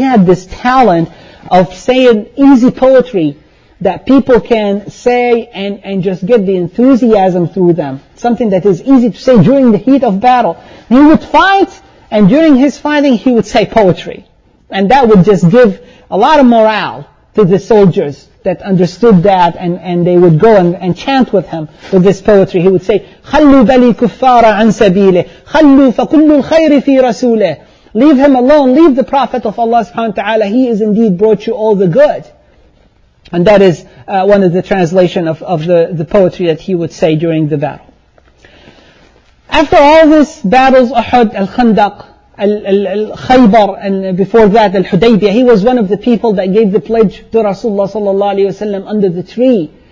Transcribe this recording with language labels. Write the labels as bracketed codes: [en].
[en] He had this talent of saying easy poetry that people can say and just get the enthusiasm through them. Something that is easy to say during the heat of battle. He would fight, and during his fighting he would say poetry. And that would just give a lot of morale to the soldiers that understood that, and they would go and chant with him with this poetry. He would say, [ar] خَلُّوا بَلِي كُفَّارَ عَنْ سَبِيلِهِ خَلُّوا فَكُلُّ الْخَيْرِ فِي رَسُولِهِ. [en] Leave him alone, leave the Prophet of Allah subhanahu wa ta'ala, he has indeed brought you all the good. And that is one of the translation of the poetry that he would say during the battle. After all these battles, Uhud, Al-Khandaq, Al-Khaybar, and before that Al-Hudaybiyah, he was one of the people that gave the pledge to Rasulullah sallallahu alayhi wa sallam under the tree.